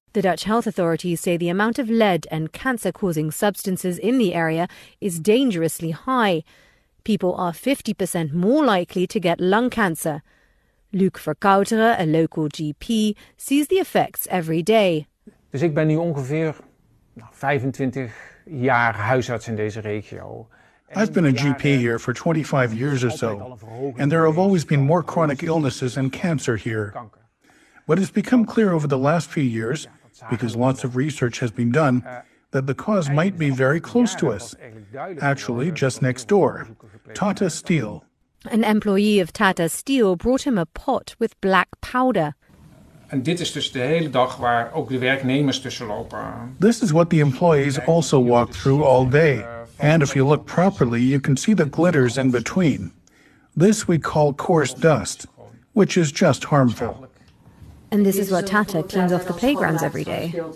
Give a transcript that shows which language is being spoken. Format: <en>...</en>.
<en>The Dutch health authorities say the amount of lead and cancer-causing substances in the area is dangerously high. People are 50% more likely to get lung cancer. Luc Verkouteren, a local GP, sees the effects every day.</en> <nl>Dus ik ben nu ongeveer 25 jaar huisarts in deze regio.</nl> <en>I've been a GP here for 25 years or so, and there have always been more chronic illnesses and cancer here. But it's become clear over the last few years, because lots of research has been done, that the cause might be very close to us. Actually, just next door, Tata Steel. An employee of Tata Steel brought him a pot with black powder. And this is</en> <nl>dus de hele dag waar ook de werknemers tussen lopen.</nl> <en>This is what the employees also walk through all day, And if you look properly, you can see the glitters in between. This we call coarse dust, which is just harmful. And this is what Tata cleans off the playgrounds every day.</en>